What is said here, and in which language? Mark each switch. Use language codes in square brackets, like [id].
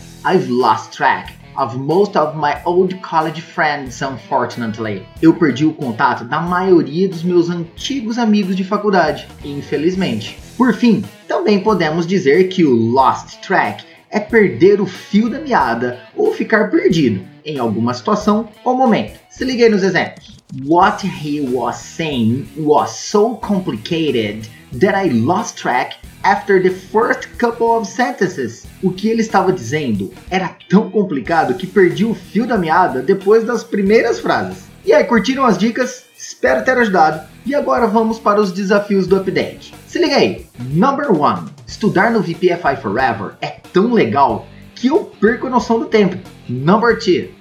[en] I've lost track of most of my old college friends, unfortunately. [pt] Eu perdi o contato da maioria dos meus antigos amigos de faculdade, infelizmente. Por fim, também podemos dizer que o lost track é perder o fio da meada ou ficar perdido em alguma situação ou momento. Se liga aí nos exemplos. [en] What he was saying was so complicated that I lost track after the first couple of sentences. [pt] O que ele estava dizendo era tão complicado que perdi o fio da meada depois das primeiras frases. E aí, curtiram as dicas? Espero ter ajudado. E agora vamos para os desafios do update. Se liga aí. [en] Number 1. [pt] Estudar no VPFI Forever é tão legal que eu perco a noção do tempo. [en] Number 2.